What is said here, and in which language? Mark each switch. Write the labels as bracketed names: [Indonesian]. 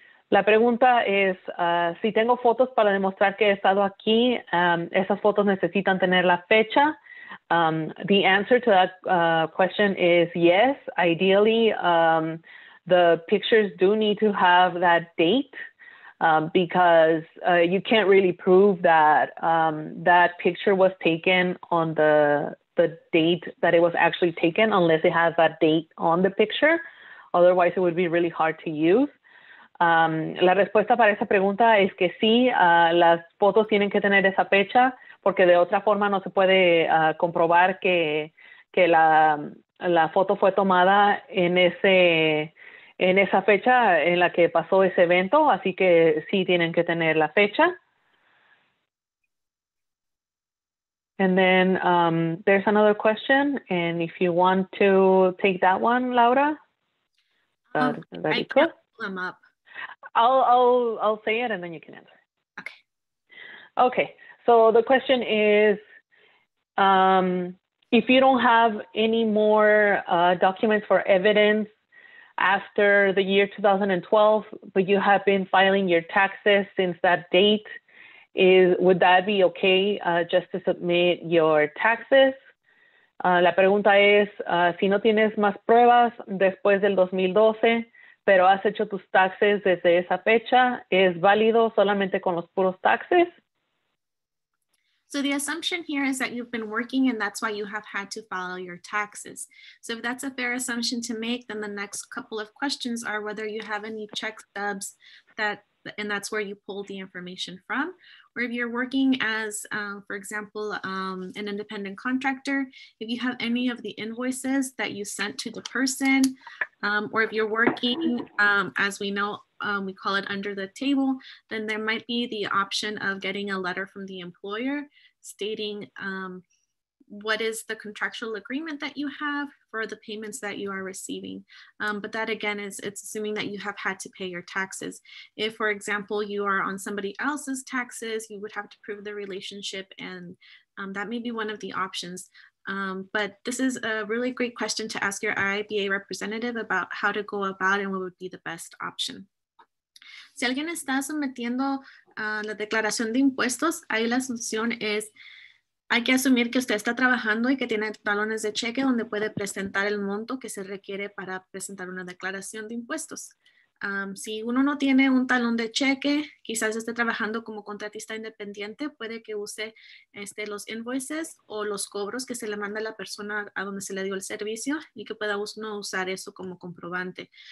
[Spanish] La pregunta es, si tengo fotos para demostrar que he estado aquí, esas fotos necesitan tener la fecha. [English] The answer to that question is yes. Ideally, the pictures do need to have that date because you can't really prove that that picture was taken on the date that it was actually taken unless it has that date on the picture. Otherwise, it would be really hard to use. [Spanish] La respuesta para esa pregunta es que sí, las fotos tienen que tener esa fecha porque de otra forma no se puede comprobar que la foto fue tomada en esa fecha en la que pasó ese evento, así que sí tienen que tener la fecha. [English] And then there's another question, and if you want to take that one, Laura, that'd be cool. I can't pull them up. I'll say it and then you can answer. Okay. So the question is, if you don't have any more documents for evidence after the year 2012, but you have been filing your taxes since that date, would that be okay just to submit your taxes? [Spanish] La pregunta es, si no tienes más pruebas después del 2012, pero has hecho tus taxes desde esa fecha, ¿es válido solamente con los puros taxes? [English] So the assumption here is that you've been working and that's why you have had to file your taxes. So if that's a fair assumption to make, then the next couple of questions are whether you have any check stubs that, and that's where you pulled the information from, or if you're working as, for example, an independent contractor, if you have any of the invoices that you sent to the person, or if you're working, as we know, we call it under the table, then there might be the option of getting a letter from the employer stating what is the contractual agreement that you have for the payments that you are receiving. But that again is, it's assuming that you have had to pay your taxes. If, for example, you are on somebody else's taxes, you would have to prove the relationship, and that may be one of the options. But this is a really great question to ask your IIBA representative about how to go about and what would be the best option. [Spanish] Si alguien está sometiendo la declaración de impuestos, ahí la solución es, hay que asumir que usted está trabajando y que tiene talones de cheque donde puede presentar el monto que se requiere para presentar una declaración de impuestos. Si uno no tiene un talón de cheque, quizás esté trabajando como contratista independiente, puede que use los invoices o los cobros que se le manda a la persona a donde se le dio el servicio y que pueda uno usar eso como comprobante.